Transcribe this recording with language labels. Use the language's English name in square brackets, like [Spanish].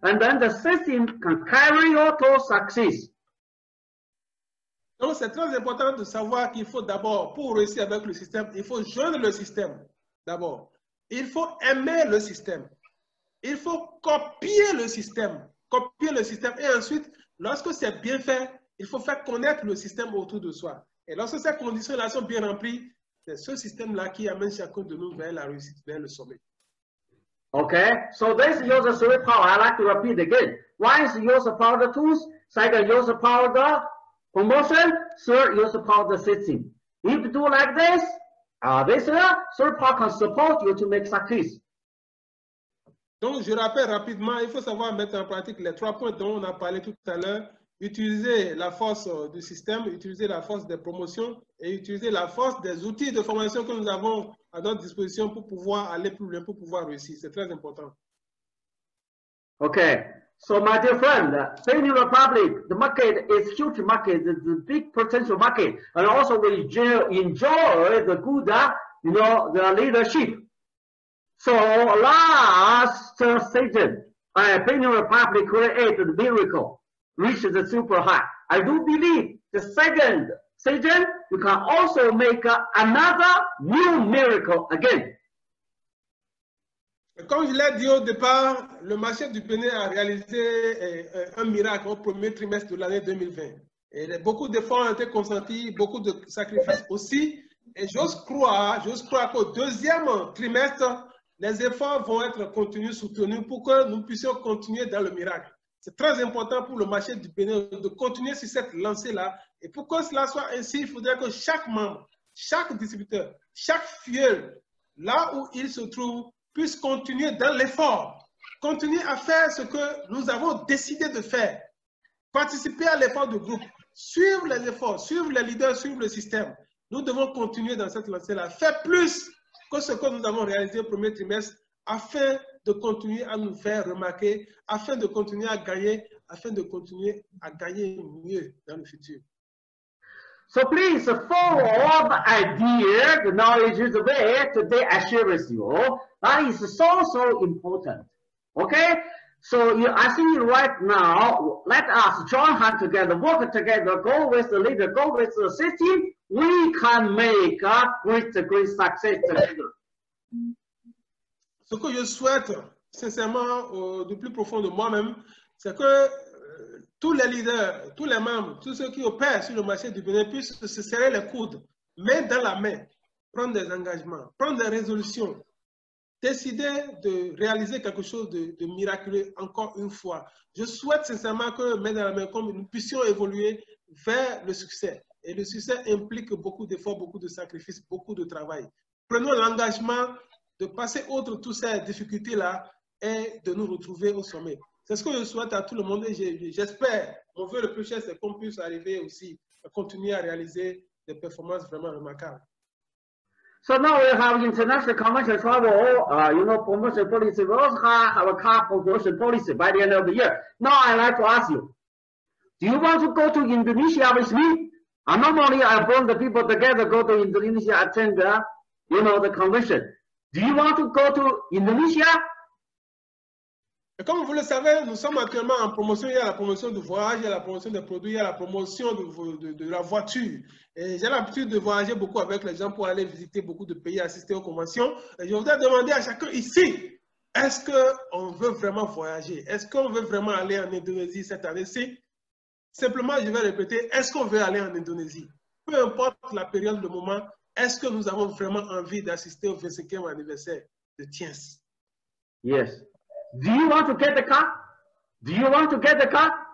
[English] And then the system can carry you to success. [French] Donc, c'est très important de savoir qu'il faut d'abord, pour réussir avec le système, il faut joindre le système. D'abord, il faut aimer le système. Il faut copier le système. Copier le système. Et ensuite, lorsque c'est bien fait, il faut faire connaître le système autour de soi. Et lorsque ces conditions-là sont bien remplies, c'est ce système-là qui amène chacun de nous vers la réussite, vers le sommet. [English] OK. So this is your three power. I like to repeat again. One is your power the tools. Second, your power the promotion. Third, your power the system. If you do like this, this third power can support you to make success. [French] Donc, je rappelle rapidement, il faut savoir mettre en pratique les trois points dont on a parlé tout à l'heure. Utiliser la force du système, utiliser la force des promotions et utiliser la force des outils de formation que nous avons à notre disposition pour pouvoir aller plus loin, pour pouvoir réussir. C'est très important. [English] OK. So, my dear friend, the New Republic, the market is huge market, the big potential market. And also, we enjoy the good, the leadership. So last season, Peking Republic created a miracle, reached the super high. I do believe the second season, you can also make another new miracle again. [French] Comme je l'ai dit au départ, le marché du Bénin a réalisé un miracle au premier trimestre de l'année 2020. Et beaucoup d'efforts ont été consentis, beaucoup de sacrifices aussi. Et j'ose croire qu'au deuxième trimestre, les efforts vont être continus, soutenus pour que nous puissions continuer dans le miracle. C'est très important pour le marché du Bénin de continuer sur cette lancée-là. Et pour que cela soit ainsi, il faudrait que chaque membre, chaque distributeur, chaque filleul, là où il se trouve, puisse continuer dans l'effort. Continuer à faire ce que nous avons décidé de faire. Participer à l'effort du groupe. Suivre les efforts, suivre les leaders, suivre le système. Nous devons continuer dans cette lancée-là. Faire plus que ce que nous avons réalisé au premier trimestre, afin de continuer à nous faire remarquer, afin de continuer à gagner, afin de continuer à gagner mieux dans le futur. [English] So please follow the idea, the knowledge is there, today I share with you. That is so, so important. Okay? So I see right now, let us join hands together, work together, go with the leader, go with the system, we can make a great success together. [French] Ce que je souhaite sincèrement du plus profond de moi-même, c'est que tous les leaders, tous les membres, tous ceux qui opèrent sur le marché du Bénin puissent se serrer les coudes, main dans la main, prendre des engagements, prendre des résolutions, décider de réaliser quelque chose de miraculeux encore une fois. Je souhaite sincèrement que main dans la main, comme nous puissions évoluer vers le succès. Et le succès implique beaucoup d'efforts, beaucoup de sacrifices, beaucoup de travail. Prenons l'engagement de passer outre toutes ces difficultés-là et de nous retrouver au sommet. C'est ce que je souhaite à tout le monde et j'espère, mon vœu le plus cher, c'est qu'on puisse arriver aussi à continuer à réaliser des performances vraiment remarquables. [English] So now we have international commercial travel, you know, promotion policy. We also have a car promotion policy by the end of the year. Now I'd like to ask you, do you want to go to Indonesia with me? Normally I bring the people together, go to Indonesia, attend the, you know, the convention. Do you want to go to Indonesia? [French] Et comme vous le savez, nous sommes actuellement en promotion. Il y a la promotion du voyage, il y a la promotion des produits, il y a la promotion de la voiture. Et j'ai l'habitude de voyager beaucoup avec les gens pour aller visiter beaucoup de pays, assister aux conventions. Et je voudrais demander à chacun ici, est-ce qu'on veut vraiment voyager? Est-ce qu'on veut vraiment aller en Indonésie cette année-ci? Simplement, je vais répéter, est-ce qu'on veut aller en Indonésie? Peu importe la période, le moment, est-ce que nous avons vraiment envie d'assister au 25e anniversaire de Tiens? [English] Yes. Do you want to get the car? Do you want to get the car?